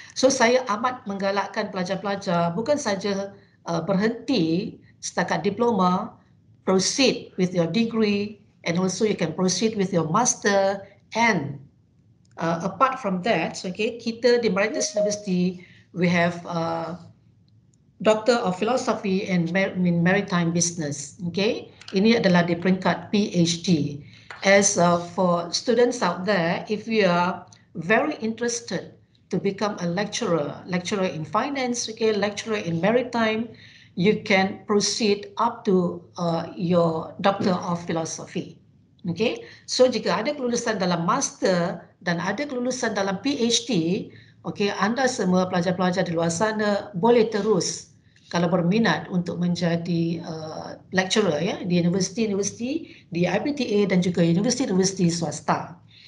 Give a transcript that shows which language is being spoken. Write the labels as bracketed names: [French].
[Malay] So saya amat menggalakkan pelajar-pelajar bukan saja berhenti setakat diploma, [English] proceed with your degree, and also you can proceed with your master. And apart from that, okay, [Malay] kita di Meritus University, [English] we have Doctor of Philosophy and Maritime Business. [Malay] Okay, ini adalah di peringkat PhD. [English] As for students out there, if you are very interested to become a lecturer in finance, okay, lecturer in maritime, you can proceed up to your Doctor of Philosophy. [Malay] Okay, so jika ada kelulusan dalam master dan ada kelulusan dalam PhD, okay, anda semua pelajar-pelajar di luar sana boleh terus kalau berminat untuk menjadi lecturer ya di universiti-universiti, di IPTA dan juga universiti-universiti swasta.